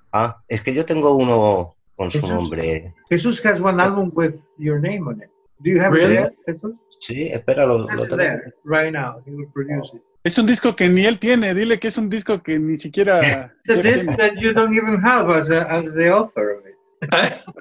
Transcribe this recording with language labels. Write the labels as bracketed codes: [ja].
[es] Ah, es que yo tengo uno con su nombre. [en] Jesús has one album with your name on it. Do you have really? It there, Jesús? [es] Sí, espéralo. Lo tengo. [en] There, right now, he will produce it. [es] Es un disco que ni él tiene. Dile que es un disco que ni siquiera... [en] It's a disc that you don't even have as the author of it.